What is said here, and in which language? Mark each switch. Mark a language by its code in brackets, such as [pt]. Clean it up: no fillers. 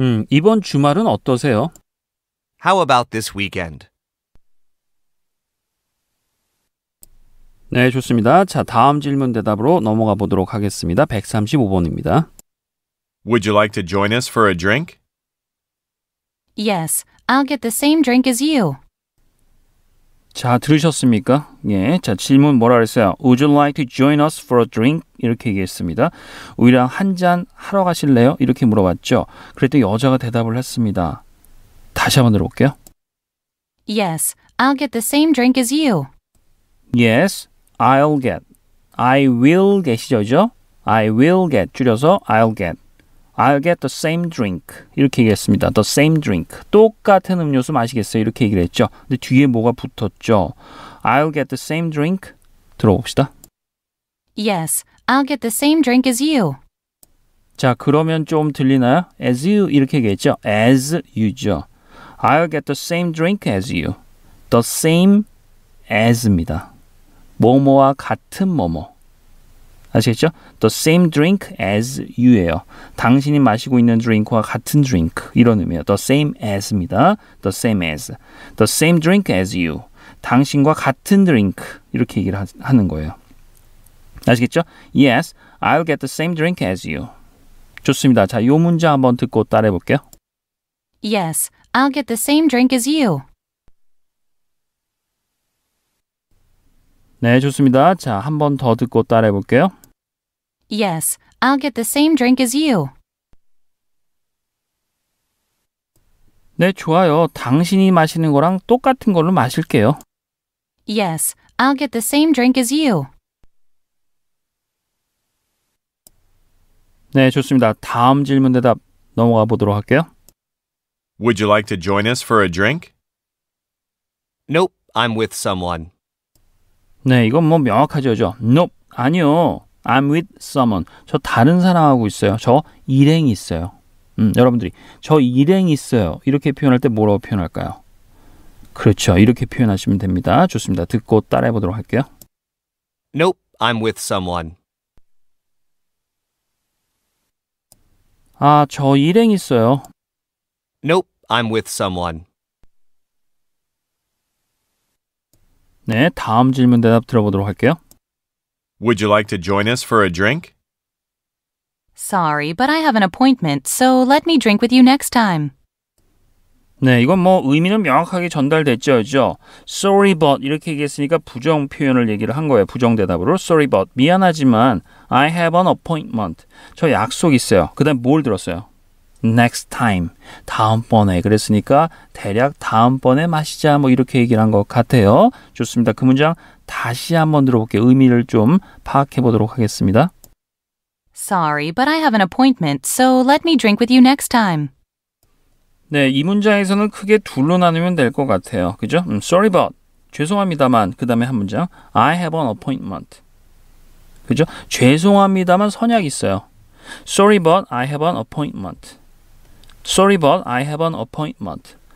[ko] 이번 주말은 어떠세요? [en] How about this weekend? [ko] 네, 좋습니다. 자, 다음 질문 대답으로 넘어가 보도록 하겠습니다. 135번입니다. [en] Would you like to join us for a drink? Yes, I'll get the same drink as you. [ko] 자, 들으셨습니까? 예, 자, 질문 뭐라 그랬어요? [en] Would you like to join us for a drink? [ko] 이렇게 얘기했습니다. 우리랑 한 잔 하러 가실래요? 이렇게 물어봤죠. 그랬더니 여자가 대답을 했습니다. 다시 한번 들어볼게요. [en] Yes, I'll get the same drink as you. Yes, I'll get. I will get이죠, [ko] 그죠? [en] I will get, [ko] 줄여서 [en] I'll get. I'll get the same drink. [ko] 이렇게 얘기했습니다. [en] The same drink. [ko] 똑같은 음료수 마시겠어요? 이렇게 얘기를 했죠. 근데 뒤에 뭐가 붙었죠? [en] I'll get the same drink. [ko] 들어봅시다. [en] Yes, I'll get the same drink as you. [ko] 자, 그러면 좀 들리나요? [en] As you [ko] 이렇게 얘기했죠. As you죠. [en] I'll get the same drink as you. The same as [ko] 입니다. 뭐뭐와 같은 뭐뭐. 아시겠죠? [en] The same drink as you예요. [ko] 당신이 마시고 있는 drink와 같은 drink 이런 의미예요. [en] The same as입니다. The same as. The same drink as you. [ko] 당신과 같은 drink 이렇게 얘기를 하는 거예요. 아시겠죠? [en] Yes, I'll get the same drink as you. [ko] 좋습니다. 자, 요 문제 한번 듣고 따라해 볼게요. [en] Yes, I'll get the same drink as you. [ko] 네, 좋습니다. 자, 한 번 더 듣고 따라해 볼게요. [en] Yes, I'll get the same drink as you. [ko] 네, 좋아요. 당신이 마시는 거랑 똑같은 걸로 마실게요. [en] Yes, I'll get the same drink as you. [ko] 네, 좋습니다. 다음 질문 대답 넘어가 보도록 할게요. [en] Would you like to join us for a drink? Nope, I'm with someone. [ko] 네, 이건 뭐 명확하죠. [en] Nope, [ko] 아니요. [en] I'm with someone. [ko] 저 다른 사람하고 있어요. 저 일행이 있어요. 여러분들이 저 일행이 있어요. 이렇게 표현할 때 뭐라고 표현할까요? 그렇죠. 이렇게 표현하시면 됩니다. 좋습니다. 듣고 따라해 보도록 할게요. [en] Nope, I'm with someone. [ko] 아, 저 일행이 있어요. [en] Nope, I'm with someone. [ko] 네, 다음 질문 대답 들어보도록 할게요. [en] Would you like to join us for a drink? Sorry, but I have an appointment, so let me drink with you next time. [ko] 네, 이건 뭐 의미는 명확하게 전달됐죠, 그죠? [en] Sorry, but [ko] 이렇게 얘기했으니까 부정 표현을 얘기를 한 거예요, 부정 대답으로. [en] Sorry, but [ko] 미안하지만 [en] I have an appointment. [ko] 저 약속 있어요. 그 다음 뭘 들었어요? [en] next time. [ko] 다음번에 그랬으니까 대략 다음번에 마시자 뭐 이렇게 얘기를 한 것 같아요. 좋습니다. 그 문장 다시 한번 들어볼게요. 의미를 좀 파악해 보도록 하겠습니다. [en] Sorry, but I have an appointment, so let me drink with you next time. [ko] 네, 이 문장에서는 크게 둘로 나누면 될 것 같아요. 그죠? [en] Sorry, but. [ko] 죄송합니다만. 그 다음에 한 문장. [en] I have an appointment. [ko] 그죠? 죄송합니다만 선약이 있어요. [en] Sorry, but I have an appointment. Sorry, but I have an appointment.